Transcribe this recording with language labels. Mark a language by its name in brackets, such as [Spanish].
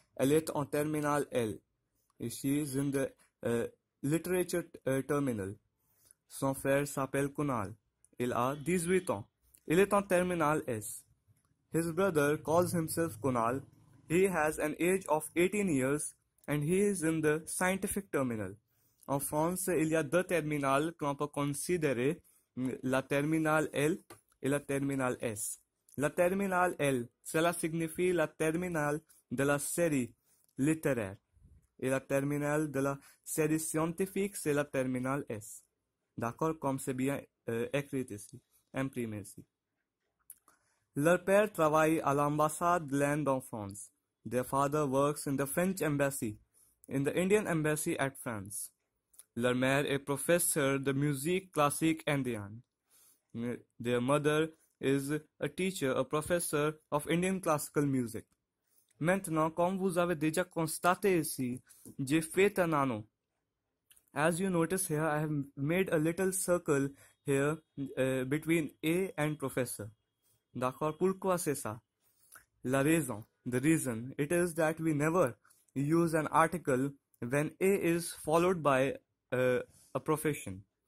[French] Elle est en terminale L. [English] She is in the literature terminal. [French] Son frère s'appelle Kunal. Il a 18 ans. Il est en terminale S. [English] His brother calls himself Kunal. He has an age of 18 years and he is in the scientific terminal. [French] En France, il y a deux terminales que l'on peut considérer, la terminale L et la terminale S. La terminale L, cela signifie la terminale de la série littéraire. Et la terminale de la série scientifique, c'est la terminale S. D'accord? Comme c'est bien écrit ici, imprimé ici. Leur père travaille à l'ambassade de l'Inde en France. [English] Their father works in the French embassy, in the Indian embassy at France. [French] Leur mère est professeur de musique classique indienne. [English] Their mother is a teacher, a professor of Indian classical music. [French] Maintenant, comme vous avez déjà constaté ici, j'ai fait un anneau. [English] As you notice here, I have made a little circle here between A and professor. [French] D'accord? Pourquoi c'est ça? La raison, [English] the reason, it is that we never use an article when A is followed by a profession.